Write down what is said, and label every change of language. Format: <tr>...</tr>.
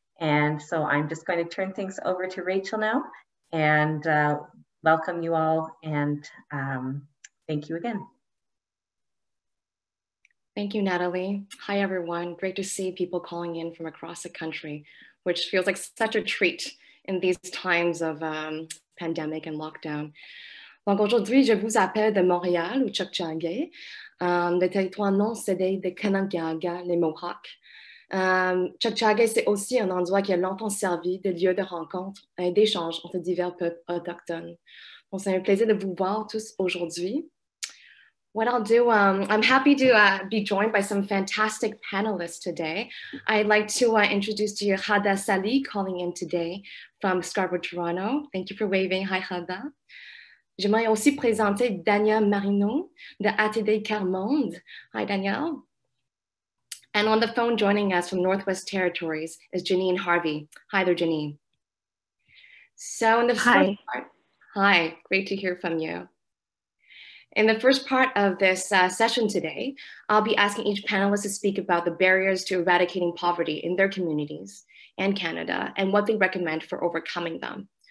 <en>And so I'm just going to turn things over to Rachel now and welcome you all and thank you again. Thank you, Natalie. Hi, everyone. Great to see people calling in from across the country, which feels like such a treat in these times of pandemic and lockdown.</en> <fr>Donc aujourd'hui, je vous appelle de Montréal, ou Chukchangay, le territoire non cédé des Kanakaga, les Mohawks. Chukchangay, c'est aussi un endroit qui a longtemps servi de lieu de rencontre et d'échange entre divers peuples autochtones. Bon, c'est un plaisir de vous voir tous aujourd'hui.</fr> <en>What I'll do, I'm happy to be joined by some fantastic panelists today. I'd like to introduce to you Khaldah Salih calling in today from Scarborough, Toronto. Thank you for waving. Hi, Khaldah.</en> <fr>J'aimerais aussi présenter Daniel Marineau de ATD Quart Monde.</fr> <en>Hi, Daniel. And on the phone joining us from Northwest Territories is Janine Harvey. Hi there, Janine. So in the Hi. First part, hi, great to hear from you. In the first part of this session today, I'll be asking each panelist to speak about the barriers to eradicating poverty in their communities and Canada and what they recommend for overcoming them.</en>